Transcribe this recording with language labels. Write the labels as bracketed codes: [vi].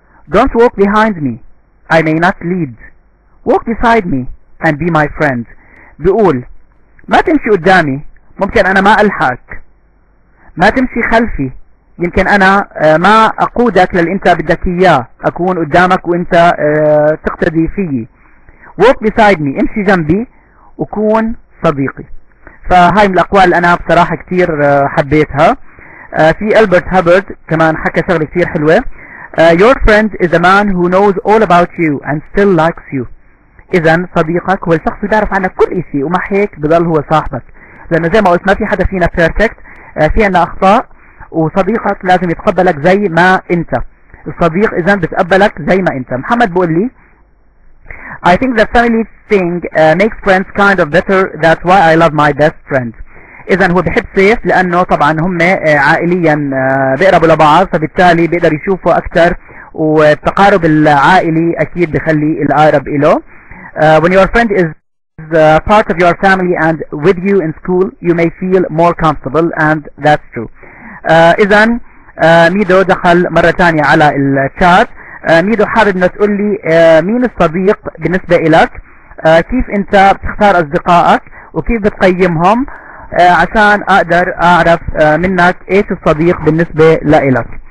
[en] Don't walk behind me, I may not lead. Walk beside me and be my friend. [ar] بيقول ما تمشي قدامي ممكن أنا ما ألحق. ما تمشي خلفي يمكن أنا ما أقودك للي أنت بدك إياه، أكون قدامك وأنت تقتدي فيي. [en] Walk beside me، [ar] امشي جنبي وكون صديقي. فهاي من الأقوال اللي أنا بصراحة كتير حبيتها. في ألبرت هابرد كمان حكى شغلة كتير حلوة: [en] Your friend is a man who knows all about you and still likes you. [ar] إذا صديقك هو الشخص اللي بيعرف عنك كل إشي ومع هيك بضل هو صاحبك، لأنه زي ما قلت ما في حدا فينا [en] perfect, [ar] في عنا أخطاء، وصديقك لازم يتقبلك زي ما أنت. الصديق إذا بتقبلك زي ما أنت. [en] محمد [ar] بقول لي: [en] I think the family thing makes friends kind of better, that's why I love my best friend. [ar] إذا هو بحب سيف لأنه طبعا هم عائليا بيقربوا لبعض، فبالتالي بيقدر يشوفه أكثر، والتقارب العائلي أكيد بخلي الأقرب إله. [en] When your friend is part of your family and with you in school, you may feel more comfortable, and that's true. [ar] إذن ميدو دخل مرة تانية على الشات. ميدو حابب نتقول لي مين الصديق بالنسبة إليك، كيف أنت بتختار أصدقائك وكيف بتقيمهم، عشان أقدر أعرف منك إيش الصديق بالنسبة لإلك.